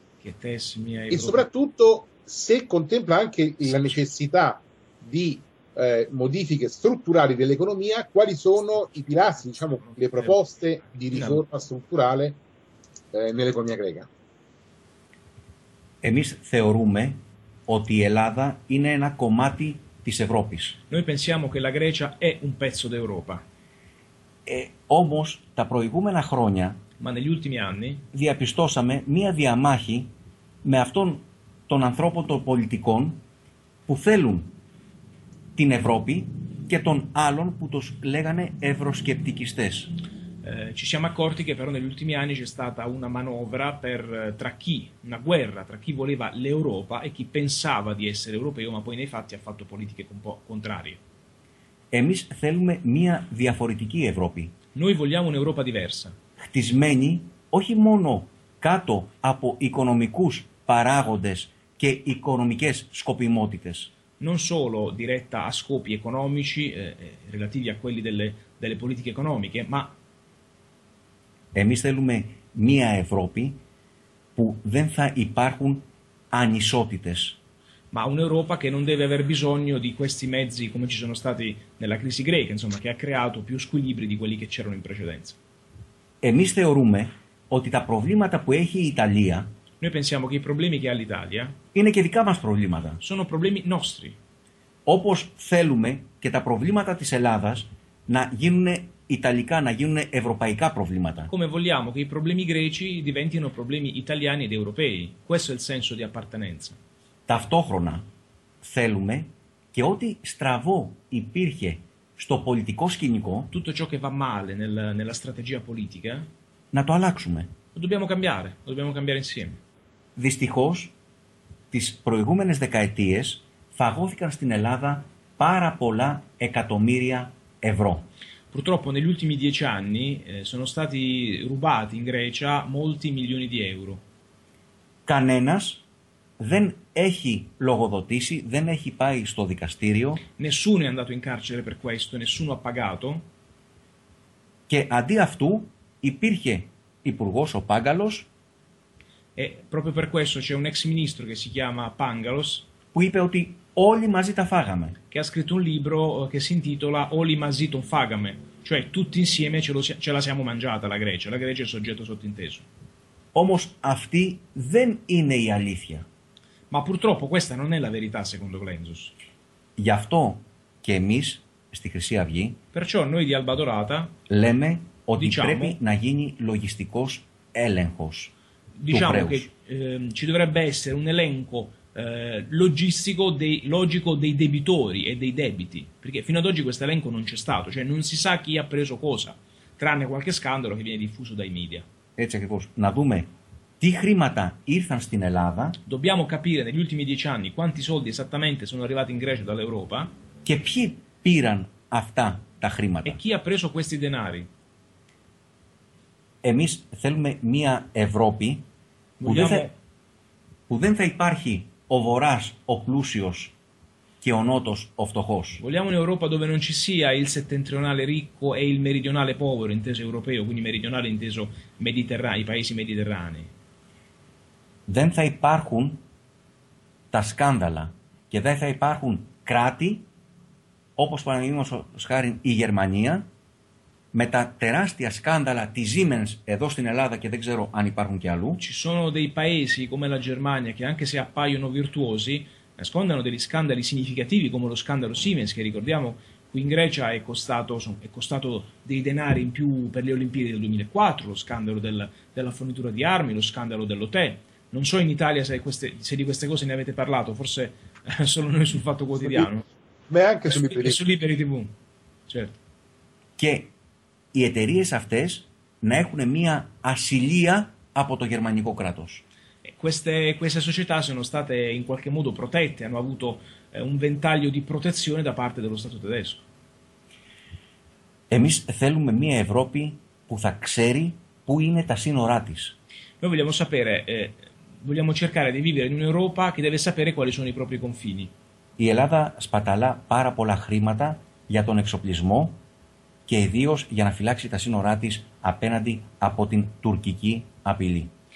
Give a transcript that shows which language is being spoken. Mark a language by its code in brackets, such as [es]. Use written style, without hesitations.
[it] E soprattutto se contempla anche la necessità di modifiche strutturali dell'economia, quali sono i pilastri, diciamo, le proposte di riforma strutturale nell'economia greca? [el] Εμείς θεωρούμε ότι η Ελλάδα είναι ένα κομμάτι. [it] Noi pensiamo che la Grecia è un pezzo d'Europa. [el] Όμως τα προηγούμενα χρόνια, [it] ma negli ultimi anni, [el] διαπιστώσαμε μία διαμάχη με αυτόν τον ανθρώπο των πολιτικών που θέλουν την Ευρώπη και των άλλων που τους λέγανε ευρωσκεπτικιστές. [it] Ci siamo accorti che però negli ultimi anni c'è stata una manovra una guerra tra chi voleva l'Europa e chi pensava di essere europeo, ma poi nei fatti ha fatto politiche un po' contrarie. [el] Εμείς θέλουμε μια διαφορετική Ευρώπη. [it] Noi vogliamo un'Europa diversa. [el] Χτισμένη όχι μόνο κάτω από οικονομικούς παράγοντες και οικονομικές σκοπιμότητες. [it] Non solo diretta a scopi economici, relativi a quelli delle politiche economiche, ma [el] εμείς θέλουμε μία Ευρώπη που δεν θα υπάρχουν ανισότητες. [it] Ma un'Europa che non deve aver bisogno di questi mezzi come ci sono stati nella crisi greca, insomma, che ha creato più squilibri di quelli che c'erano in precedenza. [el] Εμείς θεωρούμε ότι τα προβλήματα που έχει η Ιταλία. [it] Noi pensiamo che i problemi che ha l'Italia. [el] Είναι και δικά μας προβλήματα. [it] Sono problemi nostri. [el] Όπως θέλουμε και τα προβλήματα της Ελλάδας να γίνουν ιταλικά, να γίνουν ευρωπαϊκά προβλήματα. [it] Come vogliamo che i problemi greci diventino problemi italiani ed europei. Questo è il senso di appartenenza. [el] Ταυτόχρονα θέλουμε και ό,τι στραβό υπήρχε στο πολιτικό σκηνικό, [it] tutto ciò che va male nella strategia politica, [el] να το αλλάξουμε. [it] Lo dobbiamo cambiare insieme. [el] Δυστυχώς, τις προηγούμενες δεκαετίες φαγώθηκαν στην Ελλάδα πάρα πολλά εκατομμύρια ευρώ. [it] Purtroppo negli ultimi 10 anni sono stati rubati in Grecia molti milioni di euro. [el] Κανένας δεν έχει λογοδοτήσει, δεν έχει πάει στο δικαστήριο. [it] Nessuno è andato in carcere per questo, nessuno ha pagato. [el] Και αντί αυτού υπήρχε υπουργός ο Πάγκαλος. [it] E proprio per questo c'è un ex ministro che si chiama Pangalos. [el] Που είπε ότι όλοι μαζί τα φάγαμε. [it] Che ha scritto un libro che si intitola [el] Όλοι μαζί τον φάγαμε. [it] cioè tutti insieme ce la siamo mangiata la Grecia. La Grecia è il soggetto sottinteso. [el] Όμως αυτή δεν είναι η αλήθεια. [it] Ma purtroppo questa non è la verità secondo Glenzos. [el] Γι' αυτό και εμείς στη Χρυσή Αυγή. [it] Perciò noi di Alba Dorata [el] λέμε ότι [it] diciamo, [el] πρέπει να γίνει λογιστικός έλεγχος. [it] Diciamo che ci dovrebbe essere un elenco logistico dei, logico dei debitori e dei debiti, perché fino ad oggi questo elenco non c'è stato, cioè non si sa chi ha preso cosa, tranne qualche scandalo che viene diffuso dai media. [el] Έτσι ακριβώς. Να δούμε τι χρήματα ήρθαν στην Ελλάδα. [it] Dobbiamo capire negli ultimi 10 anni quanti soldi esattamente sono arrivati in Grecia dall'Europa. [el] Και ποιοι πήραν αυτά τα χρήματα. [it] E chi ha preso questi denari. [el] Εμείς θέλουμε μια Ευρώπη που δεν θα υπάρχει ο βοράς ο πλούσιος και ο νότος ο φτωχός. [it] Vogliamo un'Europa dove non ci sia il settentrionale ricco e il meridionale povero, inteso europeo, quindi meridionale inteso mediterraneo, i paesi mediterranei. [el] Δεν θα υπάρχουν τα σκάνδαλα και δεν θα υπάρχουν κράτη όπως παραδείγματος χάρη η Γερμανία με τα τεράστια σκάνδαλα της Siemens εδώ στην Ελλάδα και δεν ξέρω αν υπάρχουν και αλλού. [it] Ci sono dei paesi come la Germania che anche se appaiono virtuosi nascondono degli scandali significativi come lo scandalo Siemens che ricordiamo qui in Grecia è costato dei denari in più per le Olimpiadi del 2004, lo scandalo della fornitura di armi, lo scandalo dell'OTE. Non so in Italia se di queste cose ne avete parlato, forse solo noi sul Fatto Quotidiano. Ma anche su Liberi TV. Su Liberi TV, certo. [el] Και οι εταιρείες αυτές να έχουν μια ασυλία από το γερμανικό κράτος. [it] Queste società sono state in qualche modo protette, hanno avuto un ventaglio di protezione da parte dello Stato tedesco. [el] Εμείς θέλουμε μια Ευρώπη που θα ξέρει πού είναι τα σύνορά της. [it] Noi vogliamo sapere, vogliamo cercare di vivere in un'Europa che deve sapere quali sono i propri confini. [el] Η Ελλάδα σπαταλά πάρα πολλά χρήματα για τον εξοπλισμό και ιδίως για να φυλάξει τα σύνορά της απέναντι από την τουρκική απειλή.